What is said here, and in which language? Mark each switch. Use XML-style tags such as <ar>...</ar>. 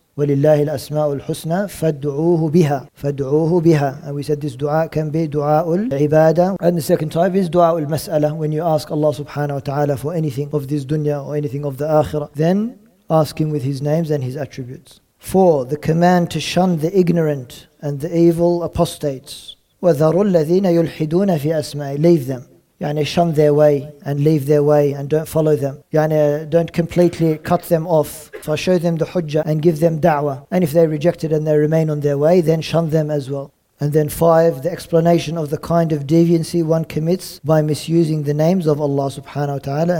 <ar>وَلِلَّهِ الْأَسْمَاءُ الْحُسْنَى فَادْعُوهُ بِهَا فَادْعُوهُ بِهَا.</ar> <en>And we said this dua can be dua al-ibadah. And the second type is dua al-mas'ala. When you ask Allah subhanahu wa ta'ala for anything of this dunya or anything of the akhirah, then ask Him with His names and His attributes. Four, the command to shun the ignorant and the evil apostates.</en> <ar>وَذَرُوا الَّذِينَ يُلْحِدُونَ فِي أَسْمَاءِ,</ar> <en>leave them. يعني shun their way and leave their way and don't follow them. يعني don't completely cut them off. So show them the hujjah and give them da'wah. And if they reject it and they remain on their way, then shun them as well. And then five, the explanation of the kind of deviancy one commits by misusing the names of Allah subhanahu wa ta'ala.</en>